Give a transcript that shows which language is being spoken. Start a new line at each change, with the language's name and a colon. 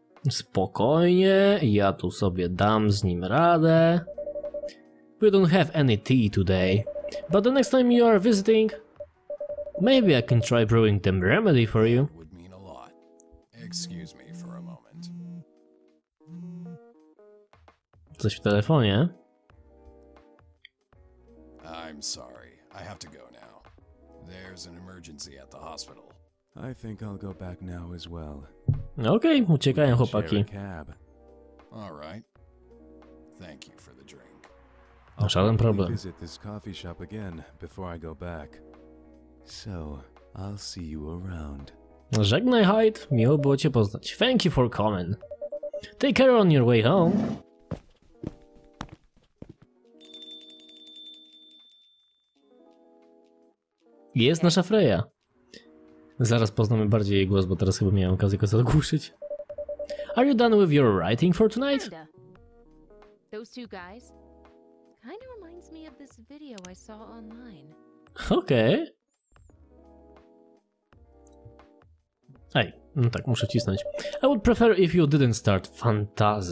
Polish: Spokojnie, ja tu sobie dam z nim radę.
English: We don't have any tea today. But the next time you are visiting, maybe I can try brewing the remedy for you. Would mean a lot. Excuse me for a moment.
Polish: Coś w telefonie?
English: I'm sorry. I have to go now. There's an emergency at the hospital. I think I'll go back now as well.
Polish: Okej, uciekają chłopaki.
English: All right. Thank you for the drink.
Polish: No, żaden problem.
English: I'll visit this coffee shop again before I go back. So, I'll see you around.
Polish: Żegnaj, Hyde. Miło było cię poznać.
English: Thank you for coming. Take care on your way home.
Polish: Jest nasza Freya. Zaraz poznamy bardziej jej głos, bo teraz chyba miałem okazję go zagłuszyć.
English: Are you done with your writing for tonight? Those two guys kind of reminds me of this video I saw online. Okay.
Polish: Ej, no tak, muszę cisnąć.
English: I would prefer if you didn't start fantasy.